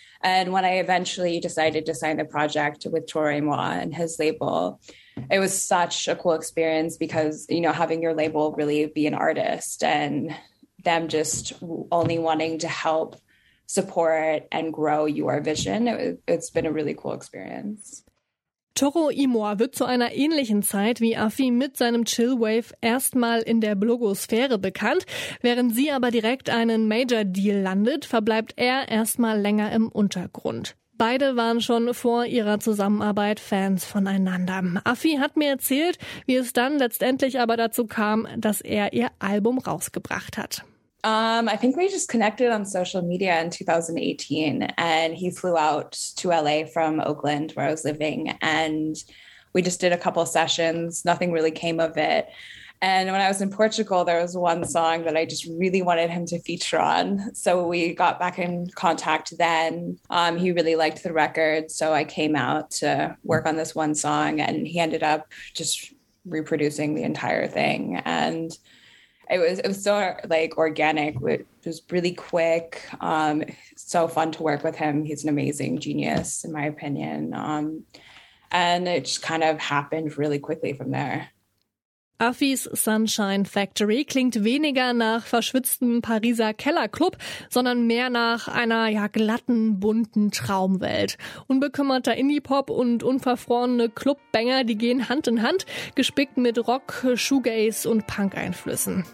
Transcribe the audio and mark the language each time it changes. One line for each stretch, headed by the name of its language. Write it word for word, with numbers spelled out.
English: And when I eventually decided to sign the project with Toro y Moi and his label, it was such a cool experience because, you know, having your label really be an artist and them just only wanting to help support and grow your vision, it, it's been a really cool experience.
German: Toro Imoa wird zu einer ähnlichen Zeit wie Afi mit seinem Chillwave erstmal in der Blogosphäre bekannt. Während sie aber direkt einen Major-Deal landet, verbleibt er erstmal länger im Untergrund. Beide waren schon vor ihrer Zusammenarbeit Fans voneinander. Afi hat mir erzählt, wie es dann letztendlich aber dazu kam, dass er ihr Album rausgebracht hat.
English: Um, I think we just connected on social media in two thousand eighteen, and he flew out to L A from Oakland, where I was living, and we just did a couple sessions. Nothing really came of it. And when I was in Portugal, there was one song that I just really wanted him to feature on. So we got back in contact then. Um, he really liked the record. So I came out to work on this one song, and he ended up just reproducing the entire thing. And it was it was so like organic. It was really quick. Um, so fun to work with him. He's an amazing genius, in my opinion. Um, and it just kind of happened really quickly from there.
German: Affis Sunshine Factory klingt weniger nach verschwitztem Pariser Kellerclub, sondern mehr nach einer ja glatten, bunten Traumwelt. Unbekümmerter Indie-Pop und unverfrorene Clubbanger, die gehen Hand in Hand, gespickt mit Rock, Shoegaze und Punk-Einflüssen.